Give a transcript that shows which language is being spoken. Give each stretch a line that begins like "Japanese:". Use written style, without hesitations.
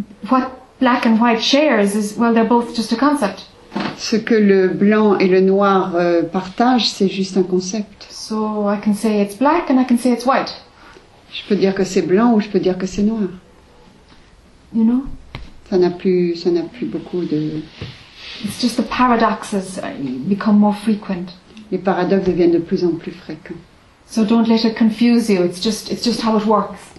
English: What black and white shares is, well, they're both just a concept.
French: Ce que le blanc et le noir partagent, c'est juste un concept.
English: So I can say it's black and I can say it's white.
French: Je peux dire que c'est blanc ou je peux dire que c'est noir.
English: You know?
French: Ça n'a plus beaucoup de...
English: It's just the paradoxes become more frequent.
French: Les paradoxes deviennent de plus en plus fréquents.
English: So don't let it confuse you. It's just how it works.